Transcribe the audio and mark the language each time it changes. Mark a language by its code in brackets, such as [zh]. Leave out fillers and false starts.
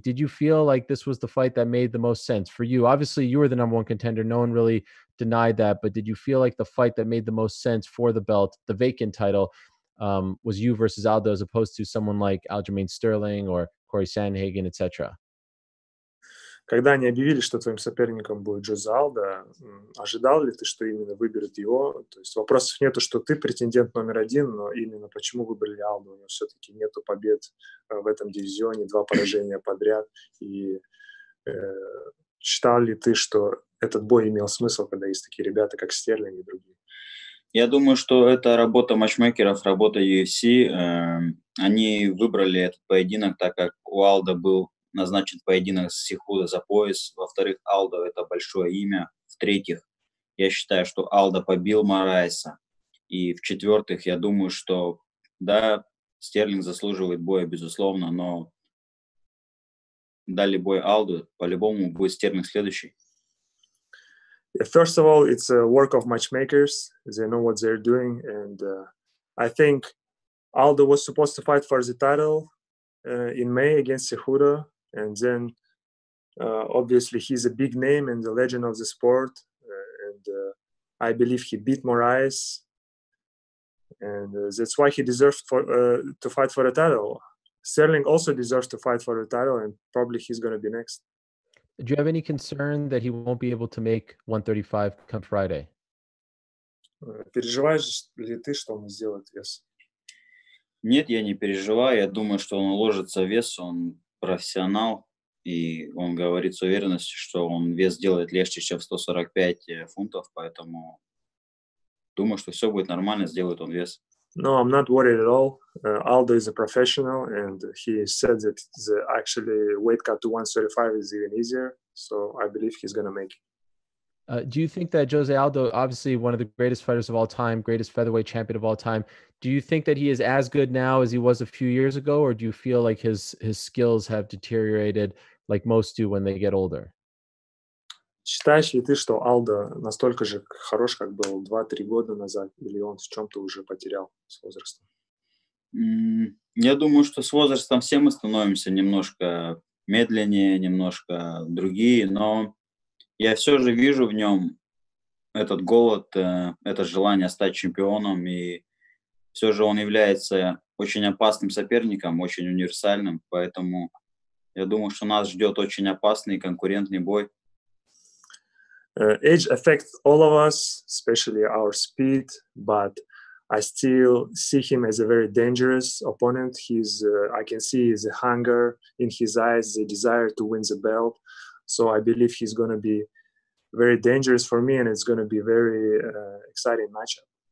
[en] Did you feel like this was the fight that made the most sense for you? Obviously, you were the number one contender. No one really denied that. But did you feel like the fight that made the most sense for the belt, the vacant title, was you versus Aldo as opposed to someone like Aljamain Sterling or Corey Sandhagen, etc.? [ru] Когда они объявили, что твоим соперником будет Джозе Алдо, ожидал ли ты, что именно выберут его? То есть вопросов нету, что ты претендент номер один, но именно почему выбрали Алдо? У него все-таки нету побед в этом дивизионе, 2 поражения подряд. И считал ли ты, что этот бой имел смысл, когда есть такие ребята, как Стерлинг и другие? Я думаю, что это работа матчмейкеров, работа UFC. Они выбрали этот поединок, так как у Алдо был назначен поединок с Сихудо за пояс. Во-вторых, Алдо – это большое имя. В-третьих, я считаю, что Алдо побил Морайса. И в-четвертых, я думаю, что да, Стерлинг заслуживает боя, безусловно, но дали бой Алдо, по-любому будет Стерлинг следующий. [en] First of all, it's a work of matchmakers. They know what they're doing. And I think Aldo was supposed to fight for the title in May against Cejudo. And then, obviously, he's a big name and the legend of the sport. And I believe he beat Moraes. And that's why he deserved to fight for the title. Sterling also deserves to fight for the title, and probably he's going to be next. Do you have any concern that he won't be able to make 135 come Friday? [ru] Переживаешь ли ты, что он сделает вес? Нет, я не переживаю. Я думаю, что он уложится вес. Он профессионал. И он говорит с уверенностью, что он вес делает легче, чем 145 фунтов. Поэтому думаю, что все будет нормально. Сделает он вес. [en] No, I'm not worried at all. Aldo is a professional, and he said that the actually weight cut to 135 is even easier. So I believe he's going to make it. Do you think that Jose Aldo, obviously one of the greatest fighters of all time, greatest featherweight champion of all time, do you think that he is as good now as he was a few years ago, or do you feel like his skills have deteriorated like most do when they get older? [ru] Считаешь ли ты, что Алдо настолько же хорош, как был 2-3 года назад, или он в чем-то уже потерял с возрастом? Я думаю, что с возрастом все мы становимся немножко медленнее, немножко другие, но я все же вижу в нем этот голод, это желание стать чемпионом, и все же он является очень опасным соперником, очень универсальным, поэтому я думаю, что нас ждет очень опасный конкурентный бой. [en] Age affects all of us, especially our speed, but I still see him as a very dangerous opponent. I can see the hunger in his eyes, the desire to win the belt. So I believe he's going to be very dangerous for me, and it's going to be a very exciting matchup.